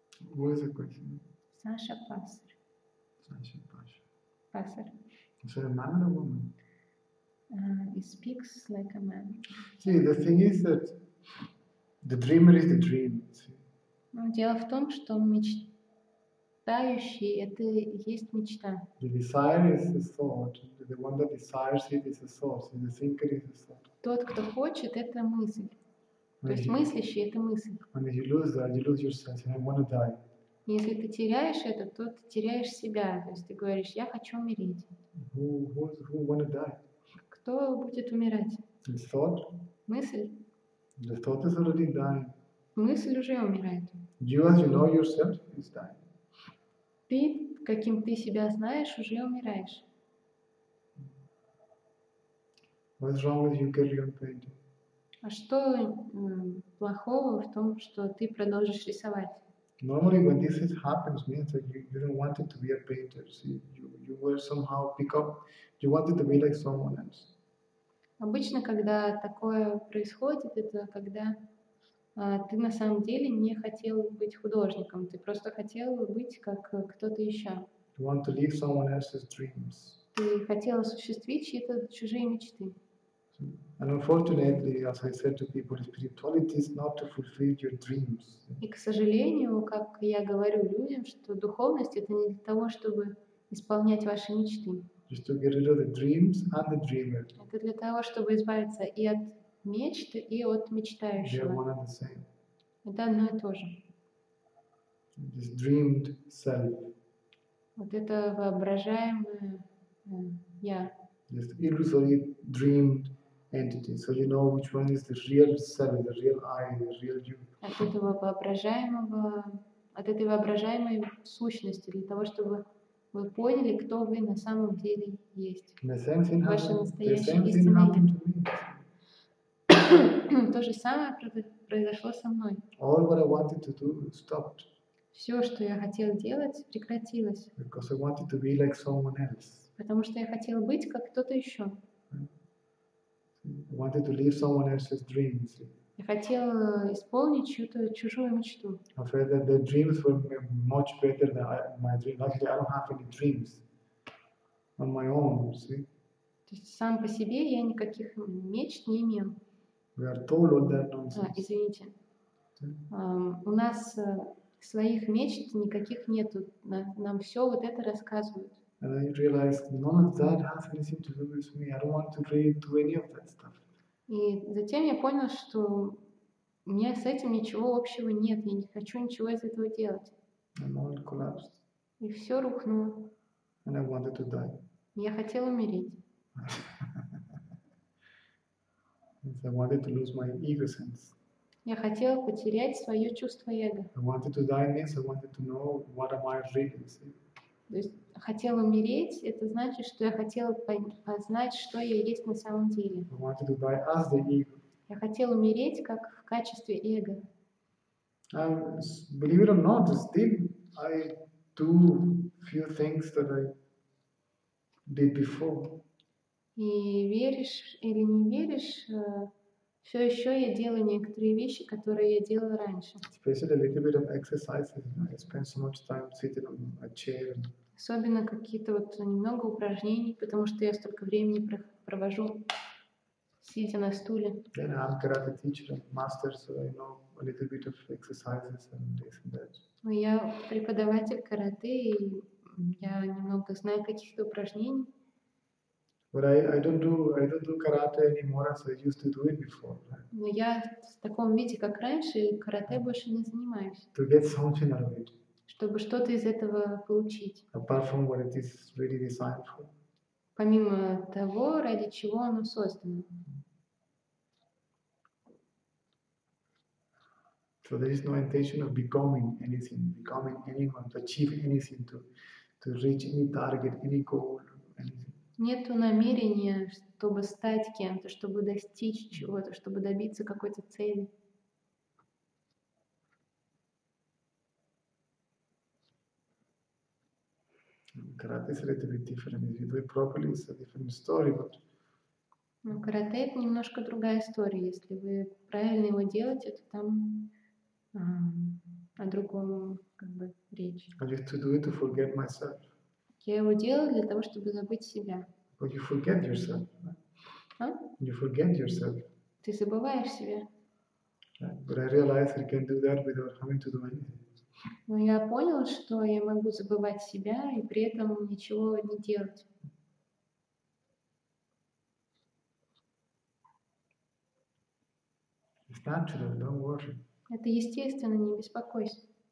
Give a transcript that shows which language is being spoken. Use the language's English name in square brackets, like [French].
[English] What is the question? Sasha Passer. Sasha Passer. Passer. Is it a man or a woman? He speaks like a man. See, the thing is that the dreamer is the dream. [Russian] Дело в том, что мечта. Мечтающий — это есть мечта. [English] The desire is the thought. The one that desires it is the thought. The thinker is the thought. [Russian] Тот, кто хочет, — это мысль. То есть мыслящий — это мысль. [English] And if you lose that, you lose yourself. And I want to die. [Russian] Если ты теряешь это, то ты теряешь себя. То есть ты говоришь: я хочу умереть. [English] Who want to die? [Russian] Кто будет умирать? [English] The thought. [Russian] Мысль. [English] The thought is already dying. [Russian] Мысль уже умирает. [English] You, as you know yourself, is dying. [Russian] Ты, каким ты себя знаешь, уже умираешь. [English] What's wrong with you carry on painting? [Russian] А что плохого в том, что ты продолжишь рисовать? [English] Normally, when this is happens, means that you don't want it to be a painter. See, you were somehow pick up. You wanted to be like someone else. [Russian] Обычно, когда такое происходит, это когда ты на самом деле не хотел быть художником, ты просто хотел быть как кто-то еще. [English] You want to live someone else's dreams. [Russian] Ты хотел осуществить чьи-то чужие мечты. [English] And unfortunately, as I said to people, spirituality is not to fulfill your dreams. [Russian] И к сожалению, как я говорю людям, что духовность это не для того, чтобы исполнять ваши мечты. [English] Just to get rid of the dreams and the dreamer. [Russian] Это для того, чтобы избавиться и от мечты, и от мечтающего. [English] They are one and the same. [Russian] Это одно и то же. [English] This dreamed self. [Russian] Вот это воображаемое я. [English] This illusory dreamed entity. So you know which one is the real self, the real I, the real you. [Russian] От этого воображаемого, от этой воображаемой сущности, для того, чтобы вы поняли, кто вы на самом деле есть. [English] The same thing happened to me. [Russian] То же самое произошло со мной. [English] All what I wanted to do stopped. [Russian] Все, что я хотел делать, прекратилось. [English] Because I wanted to be like someone else. [Russian] Потому что я хотел быть как кто-то еще. [English] I wanted to live someone else's dreams. [Russian] Я хотел исполнить чью-то чужую мечту. [English] I felt that the dreams were much better than my dreams. Actually, I don't have any dreams on my own. See? [Russian] То есть сам по себе я никаких мечт не имел. [English] We are told all that nonsense. [Russian] А, извините. У нас своих мечт никаких нету. Нам все вот это рассказывают. [English] And I realized none of that has anything to do with me. I don't want to really do any of that stuff. [Russian] И затем я понял, что у меня с этим ничего общего нет. Я не хочу ничего из этого делать. [English] And all collapsed. [Russian] И все рухнуло. [English] And I wanted to die. [Russian] Я хотел умереть. [English] I wanted to lose my ego sense. [Russian] Я хотел потерять свое чувство эго. [English] I wanted to die means I wanted to know what am I really. [Russian] То есть хотел умереть, это значит, что я хотел познать, что я есть на самом деле. [English] I wanted to die as the ego. [Russian] Я хотел умереть как в качестве эго. [English] Believe it or not, still I do few things that I did before. [Russian] И веришь или не веришь, все еще я делаю некоторые вещи, которые я делал раньше. [English] Especially a little bit of exercise. I spend so much time sitting on a chair. [Russian] Особенно какие-то вот немного упражнений, потому что я столько времени провожу, сидя на стуле. [English] Then I'm karate teacher, master, so I know a little bit of exercises and this and that. [Russian] Ну, я преподаватель карате, и я немного знаю каких-то упражнений. [English] But I don't do karate anymore as I used to do it before. [Russian] Но я в таком виде, как раньше, карате больше не занимаюсь. [English] To get something out of it. [Russian] Чтобы что-то из этого получить. [English] Apart from what it is really designed for. [Russian] Помимо того, ради чего оно создано. [English] So there is no intention of becoming anything, becoming anyone, to achieve anything, to reach any target, any goal, anything. [Russian] Нету намерения, чтобы стать кем-то, чтобы достичь чего-то, чтобы добиться какой-то цели. [English] Karate is a little bit different. If you do it properly, it's a different story. But [Russian] ну, карате это немножко другая история. Если вы правильно его делаете, то там о другом как бы речь. [English] I have to do it to forget myself. [Russian] Я его делаю для того, чтобы забыть себя. [English] But you forget yourself. Huh? You forget yourself. [Russian] Ты забываешь себя. [English] But I realized I can do that without having to do anything. [Russian] Но я понял, что я могу забывать себя и при этом ничего не делать. [English] It's natural, don't worry. [Russian] Это естественно, не беспокойся.